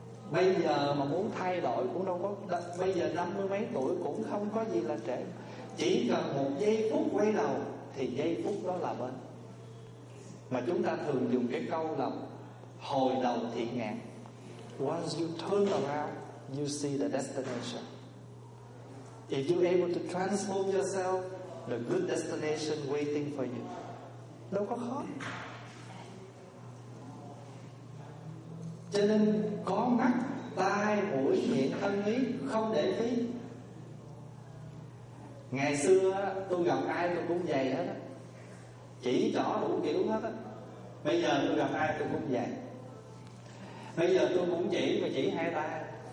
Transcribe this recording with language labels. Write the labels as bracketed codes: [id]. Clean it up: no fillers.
[vi] Bây giờ mà muốn thay đổi cũng đâu có, bây giờ 50 mấy tuổi cũng không có gì là trễ. Chỉ cần một giây phút quay đầu thì giây phút đó là bên. Mà chúng ta thường dùng cái câu là hồi đầu thiện ngạn. [en] Once you turn around, you see the destination. If you able to transform yourself, the good destination waiting for you. [vi] Đâu có khó. Cho nên có mắt, tai, mũi, miệng, thân ý, không để phí. Ngày xưa tôi gặp ai tôi cũng dày hết á, chỉ rõ đủ kiểu hết á. Bây giờ tôi gặp ai tôi cũng dày. Bây giờ tôi cũng chỉ, mà chỉ hai tay.